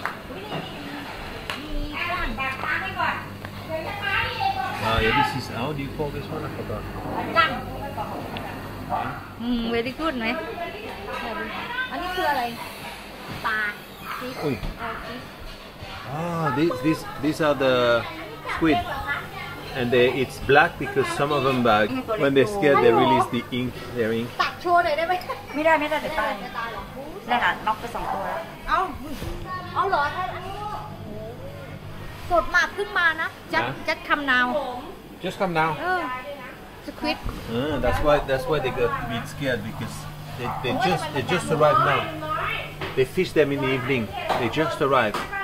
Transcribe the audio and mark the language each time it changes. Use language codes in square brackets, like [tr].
[en] this is how do you call this one I forgot very good [th] ไหมอันนี้คืออะไรปลา [en] ซีthese are the squid and they it's black because some of them bug when they're scared they release the ink their ink [th] ตัดชัวร์เลยได้ไหม ไม่ได้เดี๋ยวตายได้ค่ะน็อกไป2ตัว เอาเหรอสดมากขึ้นมานะจัด [en] come now just come now squid that's why they got a bit scared because they just arrived now they fish them in the evening they just arrived